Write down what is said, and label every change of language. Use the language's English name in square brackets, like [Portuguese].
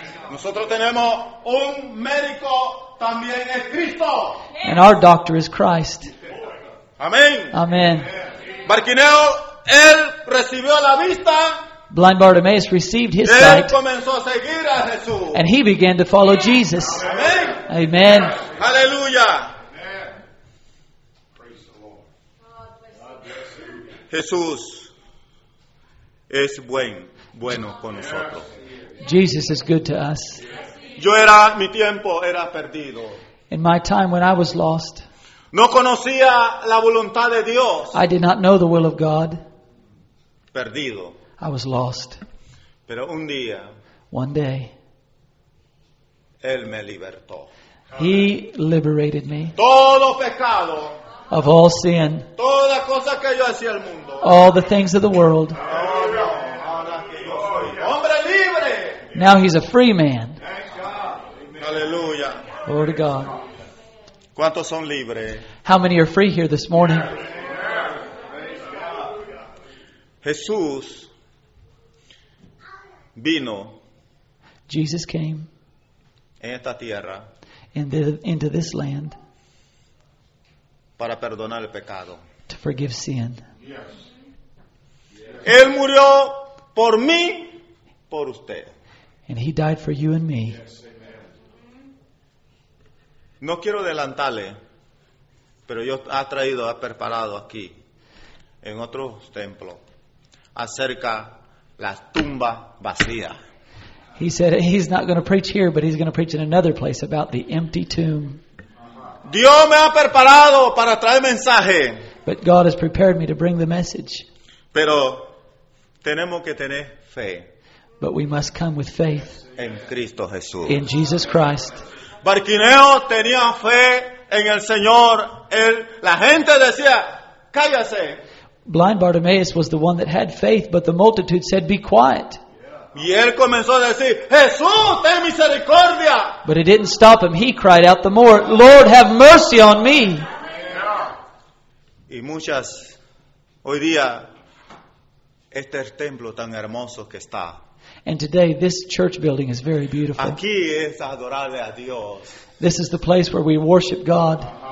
[Spanish] Nosotros tenemos un médico también es Cristo. [English] And our doctor is Christ. [Spanish] Amén. Amén. Bartimeo. Él recibió la vista. [English] Blind Bartimaeus received his [Spanish] él [English] sight. [Spanish] Comenzó a seguir a Jesús. [English] And he began to follow Jesus. Amen. Amen. Hallelujah. [Spanish] Jesús es bueno con nosotros. [English] Jesus is good to us. [Spanish] Yo era, mi tiempo era perdido. [English] In my time when I was lost. [Spanish] No conocía la voluntad de Dios. [English] I did not know the will of God. [Spanish] Perdido. [English] I was lost. [Spanish] Pero un día, [English] one day, [Spanish] él me libertó. [English] He liberated me. [Spanish] Todo pecado, [English] of all sin. [Spanish] Toda cosa que yo hacía el mundo. [English] All the things of the world. [Spanish] Ahora que yo soy hombre libre. [English] Now he's a free man. Hallelujah. Glory to God. [Spanish] ¿Cuántos son libres? [English] How many are free here this morning? [Spanish] Jesús vino. [English] Jesus came. [Spanish] En esta tierra. [English] Into this land. [Spanish] Para perdonar el pecado. [English] To forgive sin. Yes. [Spanish] Él murió por mí, por usted. [English] And he died for you and me. [Spanish] Yes, no quiero adelantarle, pero yo ha traído, ha preparado aquí, en otro templo. Acerca la tumba vacía. [English] He said he's not going to preach here, but he's going to preach in another place about the empty tomb. [Spanish] Dios me ha preparado para traer mensaje. [English] But God has prepared me to bring the message. [Spanish] Pero tenemos que tener fe. [English] But we must come with faith. [Spanish] En Cristo Jesús. [English] In Jesus Christ. [Spanish] Bartimeo tenía fe en el Señor. Él, la gente decía, cállese. [English] Blind Bartimaeus was the one that had faith, but the multitude said, be quiet. [Spanish] Y él comenzó a decir, Jesús, ten misericordia. [English] But it didn't stop him. He cried out the more, Lord, have mercy on me. [Spanish] Y muchas, hoy día, este templo tan hermoso que está. [English] And today, this church building is very beautiful. [Spanish] Aquí es adorarle a Dios. [English] This is the place where we worship God.